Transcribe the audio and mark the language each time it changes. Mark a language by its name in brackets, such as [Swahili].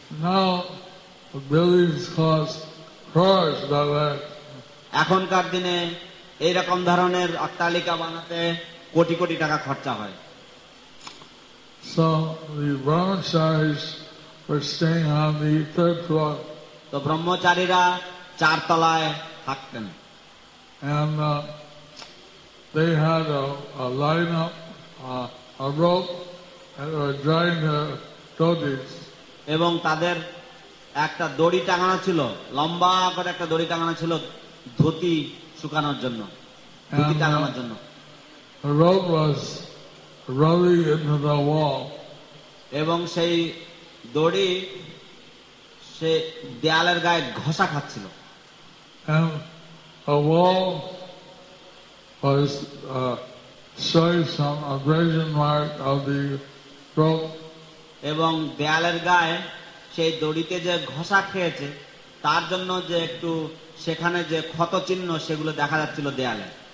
[English] Now the buildings cost crores that way. [Bangla] এখনকার দিনে এই রকম ধরনের অট্টালিকা বানাতে কোটি কোটি টাকা খরচা হয়. [English] So the brahmacharis were staying on the third floor. [Bangla] তো ব্রহ্মচারীরা চারতলায় থাকতেন. [English] And they had a line up, a rope, and were drying their dhotis. [Bangla] এবং তাদের একটা দড়ি টাঙানো ছিল, লম্বা করে একটা দড়ি টাঙানো ছিল ধুতি শুকানোর জন্য, ধুতি টাঙানোর জন্য. [English] Rope was rolling into the wall. [Bangla] এবং সেই দড়ি সে দেয়ালের গায়ে ঘষা খাচ্ছিল. [English] And the wall was showing some abrasion mark of the rope. [Bangla] এবং দেয়ালের গায়ে সেই দড়িতে যে ঘষা খেয়েছে তার জন্য যে একটু সেখানে যে ক্ষত চিহ্ন সেগুলো দেখা যাচ্ছিল দেয়ালে.